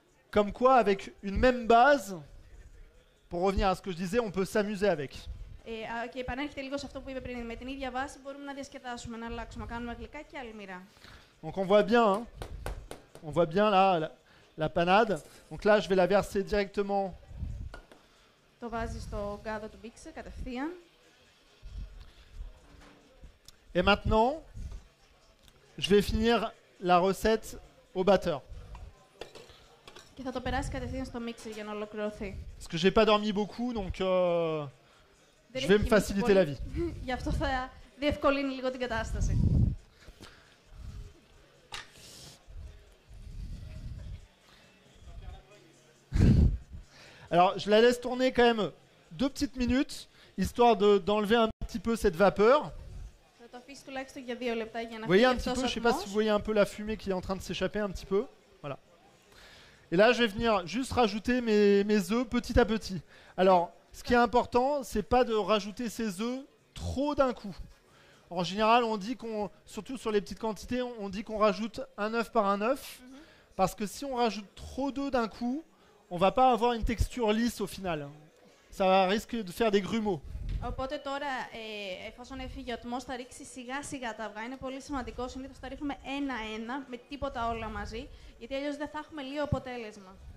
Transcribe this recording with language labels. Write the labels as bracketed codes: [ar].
[fr] Comme quoi, avec une même base... Pour revenir à ce que je disais, on peut s'amuser avec. [el] Και επανέρχεται λίγο σε αυτό που είπε πριν. Με την ίδια βάση μπορούμε να διασκεδάσουμε, να αλλάξουμε, να κάνουμε γλυκά και αλμυρά. [fr] Donc on voit bien, hein. On voit bien là, la panade. Donc là, je vais la verser directement. [el] Το βάζεις στο γκάδο του μπίξερ κατευθείαν. [fr] Et maintenant, je vais finir la recette au batteur. [el] Και θα το περάσει κατευθείαν στο μίξερ για να ολοκληρωθεί. [fr] Parce que j'ai pas dormi beaucoup, donc je vais me faciliter la vie. [el] Γι' αυτό θα διευκολύνει λίγο την κατάσταση. [fr] Alors, je la laisse tourner quand même deux petites minutes, histoire d'enlever un petit peu cette vapeur. [el] Θα το αφήσει τουλάχιστον για δύο λεπτά για να φύγει αυτός ο ατμός. [fr] Je sais pas si vous voyez un peu la fumée qui est en train de s'échapper un petit peu. Et là, je vais venir juste rajouter mes œufs petit à petit. Alors, ce qui est important, c'est pas de rajouter ces œufs trop d'un coup. En général, on dit qu'on, surtout sur les petites quantités, on dit qu'on rajoute un œuf par un œuf. Mm-hmm. Parce que si on rajoute trop d'œufs d'un coup, on va pas avoir une texture lisse au final. Ça risque de faire des grumeaux. [el] Οπότε τώρα, εφόσον έφυγε ο ατμός, θα ρίξει σιγά σιγά τα αυγά. Είναι πολύ σημαντικό, συνήθως θα ρίχνουμε ένα-ένα, με τίποτα όλα μαζί, γιατί αλλιώς δεν θα έχουμε λίγο αποτέλεσμα.